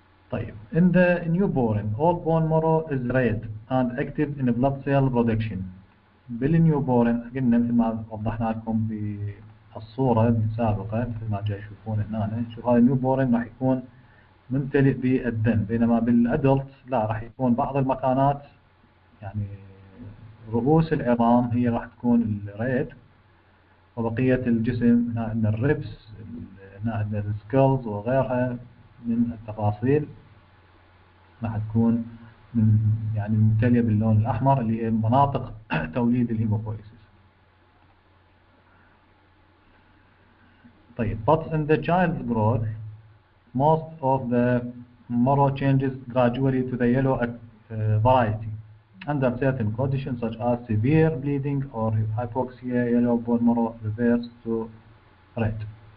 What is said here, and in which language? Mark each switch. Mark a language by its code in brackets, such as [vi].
[en] طيب in the newborn all bone marrow is red and active in blood cell production. [ar] بالنيوبورن قلنا مثل ما وضحنا لكم بالصورة السابقة، مثل ما جاي يشوفون هنا شوف هذا النيوبورن راح يكون ممتلئ بالدم، بينما بالأدلت لا، راح يكون بعض المكانات يعني رؤوس العظام هي راح تكون الريد، وبقية الجسم هنا عندنا الريبس، هنا عندنا السكولز وغيرها من التفاصيل راح تكون من يعني ممتلية باللون الأحمر اللي هي مناطق توليد الهيموفويسيس. [en] طيب but in the child's growth most of the marrow changes gradually to the yellow variety under certain conditions such as severe bleeding or hypoxia yellow bone marrow reverts to red.